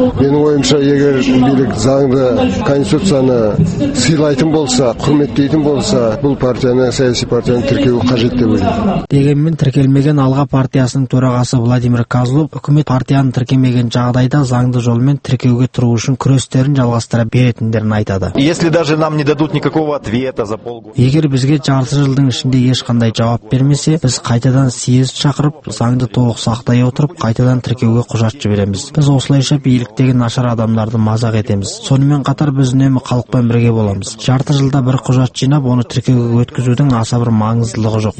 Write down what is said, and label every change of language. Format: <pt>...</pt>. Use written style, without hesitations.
<kk>Менің ойымша, егер билік заңды конституцияны сыйлайтын болса, құрметтейтін болса, бұл партияны, саяси партияны тіркеуі қажет деп ойлаймын. Дегенмен тіркелмеген алға партиясының төрағасы Владимир Козлов, үкімет партияны тіркемеген жағдайда заңды жолмен тіркеуге тұру үшін күрестерін жалғастыра беретіндерін айтады.</kk> <ru>Если даже нам не дадут никакого ответа за полгода,</ru> <kk>егер бізге жарты жылдың ішінде ешқандай жауап бермесе, біз қайтадан съезд шақырып, заңды толық сақтай отырып, қайтадан тіркеуге құжат жібереміз. Біз осылайша биліктегі нашар адамдарды мазақ етеміз. Сонымен қатар біз үнемі халықпен бірге боламыз. Жарты жылда бір құжат жинап, оны тіркеуге өткізудің аса бір маңыздылығы жоқ.</kk>